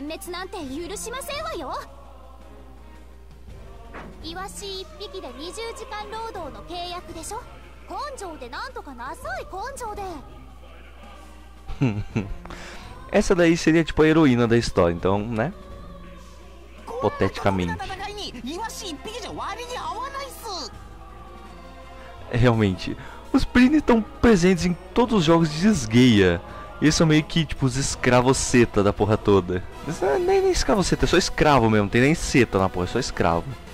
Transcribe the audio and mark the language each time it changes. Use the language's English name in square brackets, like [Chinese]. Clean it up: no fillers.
[Japanese] なんて許しませんわよ。イワシ一匹で20時間労働の契約でしょ。根性でなんとかなさい、根性で。 [Portuguese] Essa daí seria tipo a heroína da história, então, né? Hipoteticamente. [Japanese] イワシ一匹じゃ割に合わないっす。 [Portuguese] Realmente, os Prini estão presentes em todos os jogos de Disgaea. Eles são meio que tipo os escravos seta da porra toda. Mas não é nem escravo seta, é só escravo mesmo, não tem nem seta na porra, é só escravo.